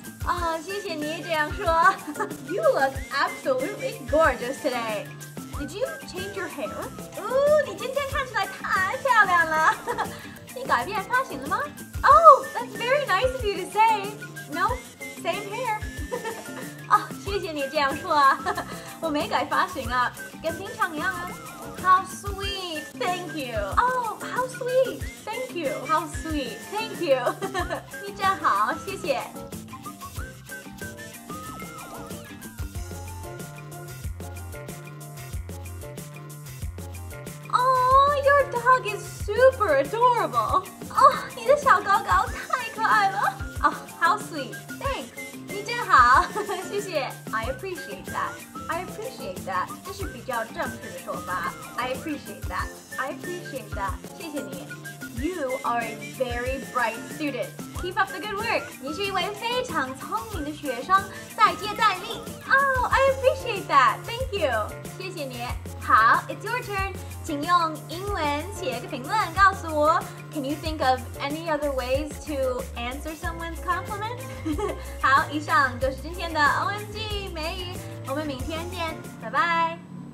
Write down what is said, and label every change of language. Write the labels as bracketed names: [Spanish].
[English] Oh, [Chinese] 谢谢你这样说。 [English] You look absolutely gorgeous today. Did you change your hair? Ooh, [Chinese] 你今天看起来太漂亮了。你改变发型了吗？ [English] Oh, that's very nice of you to say. No, same hair. Oh, [Chinese] 谢谢你这样说。我没改发型啊，跟平常一样啊。 [English] How sweet, thank you. Oh, how sweet, thank you. How sweet, thank you. [Chinese] 你真好，谢谢。 [English] Oh, your dog is super adorable. [Chinese] Oh, 你的小狗狗太可爱了。 [English] Oh, how sweet, thanks. [Chinese] 你真好，谢谢。 [English] I appreciate that. I appreciate that. [Chinese] 这是比较正式的说法。 [English] I appreciate that. I appreciate that. [Chinese] 谢谢你。 [English] You are a very bright student. Keep up the good work. [Chinese] 你是一位非常聪明的学生。再接再厉。 [English] Oh, I appreciate that. Thank you. [Chinese] 谢谢你。好 , [English] it's your turn. [Chinese] 请用英文写个评论告诉我。 [English] Can you think of any other ways to answer someone's compliment? [Chinese] 好，以上就是今天的 OMG 美语。我们明天见，拜拜。